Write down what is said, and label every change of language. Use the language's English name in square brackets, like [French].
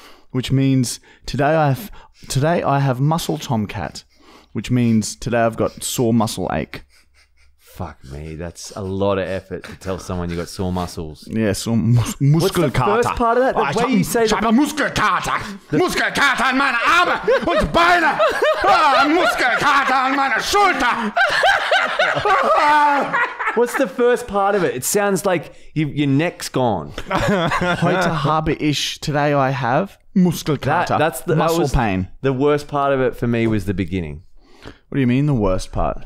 [English] Which means today I have muscle tomcat, which means today I've got sore muscle ache. Fuck me, that's a lot of effort to tell someone you got sore muscles. Yeah, sore muskelkater. What's the first part of that? The way you say that. Muskelkater. [German] Muskelkater an meine Arme und Beine. Muskelkater an meine Schulter. [English] What's the first part of it? It sounds like your neck's gone. [German] Heute habe ich, [English] today I have [German] muskelkater. [English] That's the muscle pain. The worst part of it for me was the beginning. What do you mean the worst part?